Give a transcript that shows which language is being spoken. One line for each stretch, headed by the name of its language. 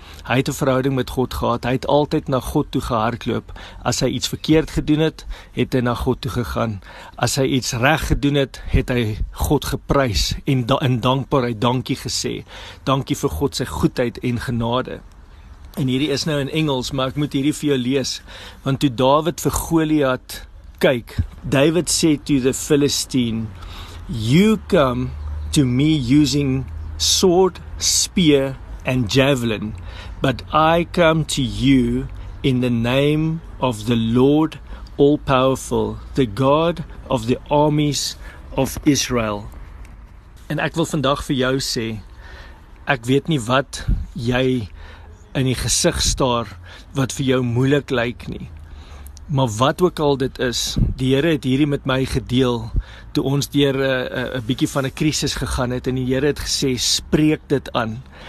Afrikaans: Hy het 'n verhouding met God gehad, hy het altyd na God toe gehardloop. As hy iets verkeerd gedoen het, het hy na God toe gegaan. As hy iets reg gedoen het, het hy God geprys en in dankbaarheid dankie gesê. Dankie vir God se goedheid en genade. En hierdie is nou in Engels, maar ek moet hierdie vir jou lees. Want toe Dawid vir Goliat kyk, David sê
English: to the Philistine, "You come to me using sword, spear and javelin, but I come to you in the name of the Lord All-Powerful, the God of the armies of Israel."
Afrikaans: En ek wil vandag vir jou sê, ek weet nie wat jy in die gesig staar wat vir jou moeilik lyk nie, maar wat ook al dit is, die Here het hierdie met my gedeel toe ons deur 'n bietjie van 'n krisis gegaan het, en die Here het gesê, spreek dit aan.